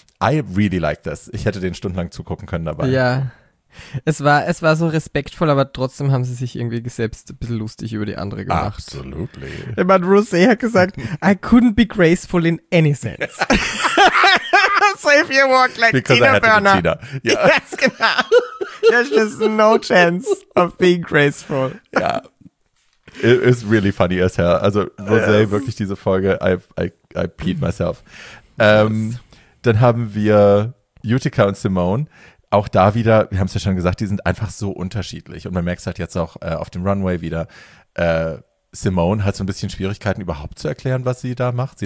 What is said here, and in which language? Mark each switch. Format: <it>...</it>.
<en>I really like this.</en> <de>Ich hätte den stundenlang zugucken können dabei. Ja, es war so respektvoll, aber trotzdem haben sie sich irgendwie selbst ein bisschen lustig über die andere gemacht.</de> <en>Absolutely.</en> <de>Ich meine, Rosé hat gesagt,</de> <en>I couldn't be graceful in any sense. So if you walk like because Tina Burner. Tina.</en> <de>Ja. Yes, genau.</de> <en>There's just no chance of being graceful.</en> <de>Ja.</de> <en>It is really funny as hell.</en> <de>Also Rosé, wirklich diese Folge,</de> <en>I peed myself.</en> <de>Dann haben wir Utica und Simone. Auch da wieder, wir haben es ja schon gesagt, die sind einfach so unterschiedlich. Und man merkt es halt jetzt auch auf dem Runway wieder. Simone hat so ein bisschen Schwierigkeiten, überhaupt zu erklären, was sie da macht.</de>